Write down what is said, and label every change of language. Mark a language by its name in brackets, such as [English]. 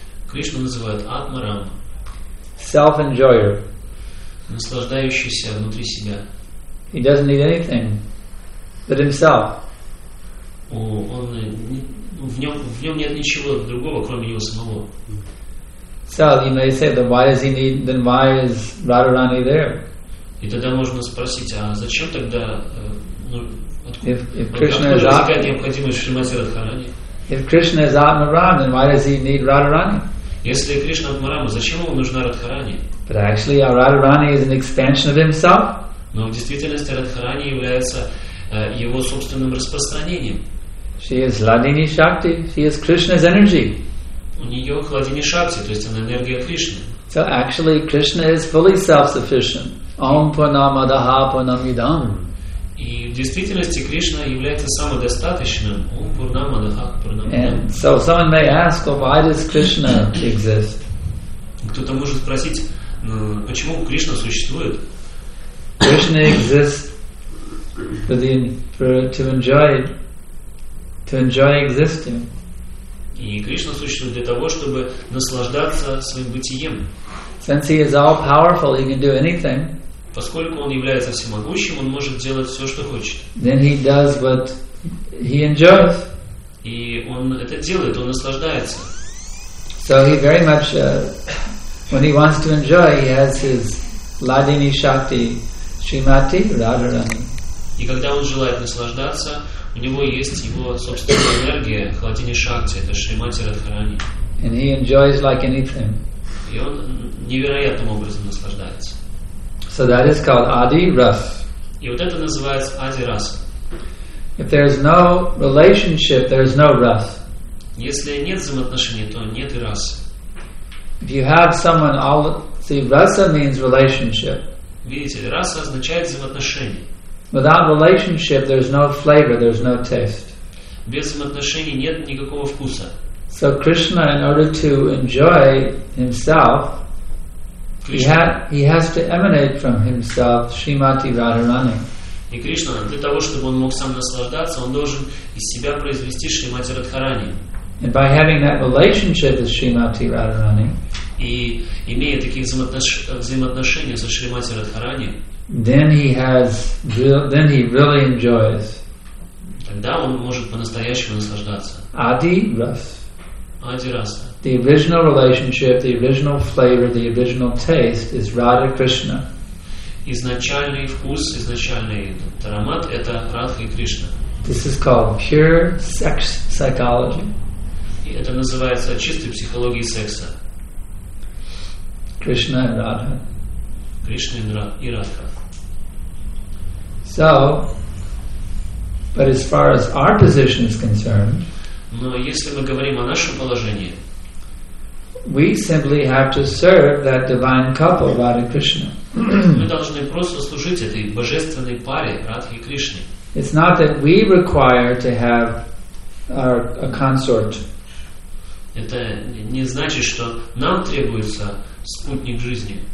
[Russian] Кришна называет Атма Рам. [English] Self-enjoyer. [Russian] Наслаждающийся внутри себя. [English] He doesn't need anything but himself. [Russian] В нем нет ничего другого, кроме него самого. [English] So you may say, then why does he need? Then why is Radharani there? [Russian] И тогда можно спросить, а зачем тогда? [English] If Krishna is [Russian] Atma, необходимость Шримати Радхарани. [English] If Krishna is Atmaram, then why does he need Radharani? [Russian] Если Кришна Атмарама, зачем ему нужна Радхарани? [English] But actually, Radharani is an extension of himself. [Russian] Но в действительности Радхарани является его собственным распространением. [English] She is Ladini Shakti. She is Krishna's energy. [Russian] У нее Ладини Шакти, то есть она энергия Кришны. [English] So actually, Krishna is fully self-sufficient. [Sanskrit] Om Purnama Daha Purnam Idam. [Russian] И в действительности Кришна является самодостаточным. [Sanskrit] Om Purnama Daha Purnam Idam. [English] And so someone may ask, well, why does Krishna exist? [Russian] Кто-то может спросить, почему Кришна существует? [English] Krishna exists to enjoy existing. [Russian] И Кришна существует для того, чтобы наслаждаться своим бытием. [English] Since he is all powerful, he can do anything. [Russian] Поскольку он является всемогущим, он может делать все, что хочет. [English] Then he does what he enjoys. [Russian] И он это делает, он наслаждается. [English] So he very much, when he wants to enjoy, he has his Ladini Shakti, Shrimati Radharani. [Russian] И когда он желает наслаждаться, у него есть его собственная энергия, Ладини Шакти, это Шримати Радхарани. [English] And he enjoys like anything. [Russian] И он невероятным образом наслаждается. [English] So that is called Adi Ras. [Russian] И вот это называется Adi Ras. [English] If there is no relationship, there is no Ras. [Russian] Если нет взаимоотношений, то нет и Ras. [English] If you have someone all see, Rasa means relationship. [Russian] Видите, Rasa означает взаимоотношения. [English] Without relationship, there is no flavor, there is no taste. [Russian] Без взаимоотношений нет никакого вкуса. [English] So Krishna, in order to enjoy himself, He has to emanate from himself, Shrimati Radharani. [Russian] И Кришна для того, чтобы он мог сам наслаждаться, он должен из себя произвести Шримати Радхарани. [English] And by having that relationship with Shrimati Radharani, [Russian] и имея такие взаимоотношения со Шримати Радхарани, [English] then he really enjoys. [Russian] Тогда он может по-настоящему наслаждаться. [Sanskrit] Adi Ras. Adi Ras. [English] The original relationship, the original flavor, the original taste is Radha Krishna. [Russian] Изначальный вкус, изначальный аромат – это Радха и Кришна. [English] This is called pure sex psychology. [Russian] И это называется чистой психологией секса. [English] Krishna and Radha. [Russian] Кришна и Радха. [English] So, but as far as our position is concerned, [Russian] но если мы говорим о нашем положении, [English] we simply have to serve that divine couple, Radha Krishna. [Russian] Мы должны просто служить этой божественной паре, Радхе и Кришне. [English] It's not that we require to have a consort. [Russian] Это не значит, что нам требуется спутник жизни.